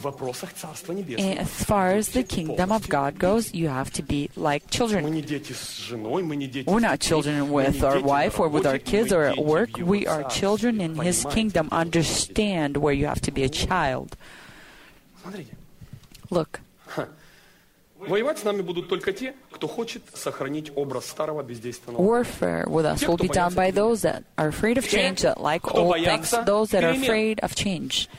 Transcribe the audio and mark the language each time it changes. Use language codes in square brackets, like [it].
[en] As far as the kingdom of God goes, you have to be like children. We're not children with our wife or with our kids or at work. We are children in His kingdom. Understand where you have to be a child. Look. [ru] Воевать с нами будут только те, кто хочет сохранить образ старого бездейственного. [en] Warfare with us will be done by those that are afraid of change, that like old things, those that are afraid of change.